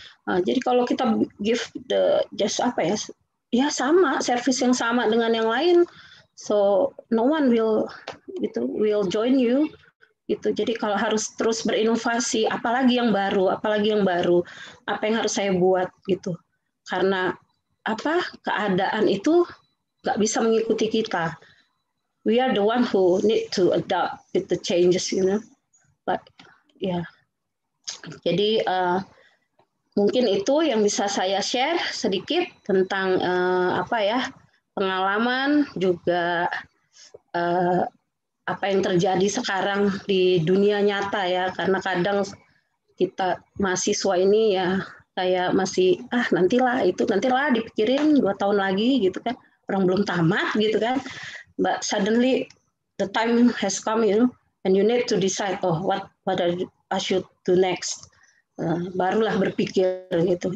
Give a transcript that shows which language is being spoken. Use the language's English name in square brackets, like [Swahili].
[Indonesian] Jadi kalau kita give the just apa ya, ya sama, service yang sama dengan yang lain, [English] so no one will join you. [Indonesian] Gitu. Jadi kalau harus terus berinovasi, apalagi yang baru, apa yang harus saya buat gitu? Karena apa? Keadaan itu nggak bisa mengikuti kita. [English] We are the one who need to adapt with the changes, you know. But yeah. [Indonesian] Jadi mungkin itu yang bisa saya share sedikit tentang apa ya pengalaman juga. Apa yang terjadi sekarang di dunia nyata ya, karena kadang kita mahasiswa ini ya kayak masih nantilah dipikirin 2 tahun lagi gitu kan, orang belum tamat gitu kan, [English] but suddenly the time has come, you know, and you need to decide what I should do next, [Indonesian] barulah berpikir gitu.